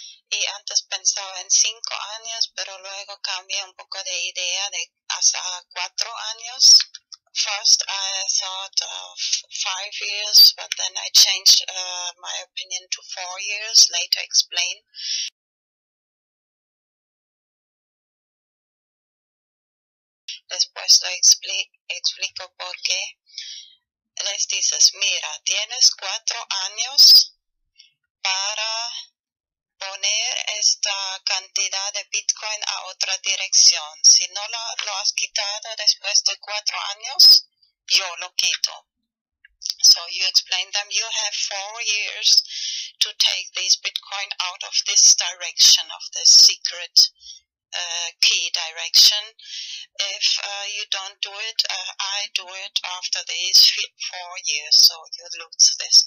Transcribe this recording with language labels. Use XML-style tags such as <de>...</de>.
<es>Y antes pensaba en 5 años, pero luego cambié un poco de idea de hasta 4 años.</es> <en>First I thought of 5 years, but then I changed my opinion to 4 years, later explain.</en> <es>Después lo explico por qué. Les dices, mira, tienes 4 años para poner esta cantidad de Bitcoin a otra dirección. Si no lo has quitado después de 4 años, yo lo quito.</es> <en>So you explain them, you have 4 years to take this Bitcoin out of this direction, of this secret key direction. If you don't do it, I do it after these 3-4 years, so you lose this.</en>